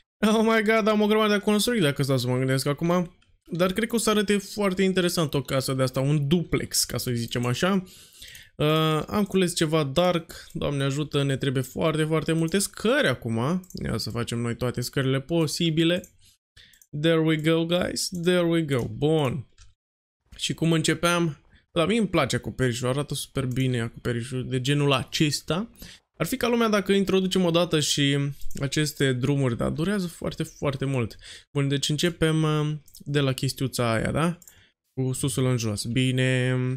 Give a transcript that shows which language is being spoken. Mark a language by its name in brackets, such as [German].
[English] Oh my God, [Romanian] am o grămadă de construit, dacă stau să mă gândesc acum. Dar cred că o să arate foarte interesant o casă de asta, un duplex, ca să zicem așa. Am cules ceva dark, Doamne ajută, ne trebuie foarte, foarte multe scări acum. Ia să facem noi toate scările posibile. [English] There we go, guys, there we go, bun. [Romanian] Și cum începeam? La mine îmi place acoperișul, arată super bine acoperișul de genul acesta. Ar fi ca lumea dacă introducem o dată și aceste drumuri, dar durează foarte, foarte mult. Bun, deci începem de la chestiuța aia, da? Cu susul în jos. Bine.